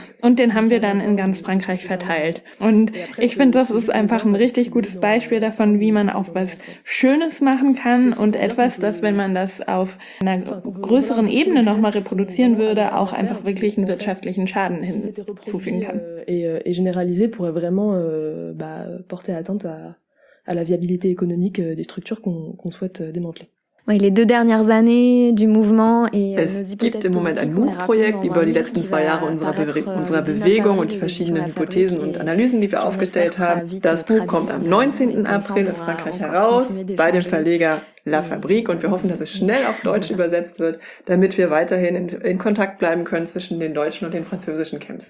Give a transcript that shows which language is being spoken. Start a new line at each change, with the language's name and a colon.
German: Und den haben wir dann in ganz Frankreich verteilt. Und ich finde, das ist einfach ein richtig gutes Beispiel davon, wie man auch was Schönes machen kann und etwas, das, wenn man das auf einer größeren Ebene nochmal reproduzieren würde, auch einfach wirklich einen wirtschaftlichen Schaden hinzufügen kann.
French: Et généraliser pourrait vraiment porter atteinte à la viabilité économique des structures qu'on souhaite démanteler. Oui, les deux dernières années du mouvement et
German: es gibt im Moment ein Buchprojekt über die letzten zwei Jahre unserer Bewegung und die verschiedenen Hypothesen und Analysen, die wir aufgestellt haben. Das Buch kommt am 19. April in Frankreich heraus bei dem Verleger La Fabrique und wir hoffen, dass es schnell auf Deutsch übersetzt wird, damit wir weiterhin in Kontakt bleiben können zwischen den deutschen und den französischen Kämpfen.